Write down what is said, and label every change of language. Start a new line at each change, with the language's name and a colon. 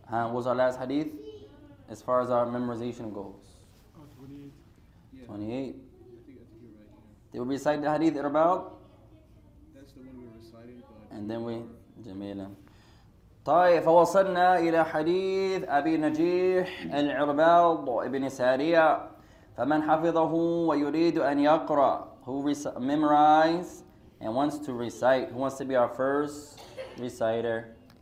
English: was our last hadith as far as our memorization goes. Oh, 28. Yeah. 28. Did we recite the hadith about? That's the one we're reciting. But and then we, jameela.
Arabic: طيب فوصلنا إلى حديث أبي نجيح العرباض ابن سارية فمن حفظه ويريد أن يقرأ.
English: Who memorize and wants to recite. Who wants to be our first reciter?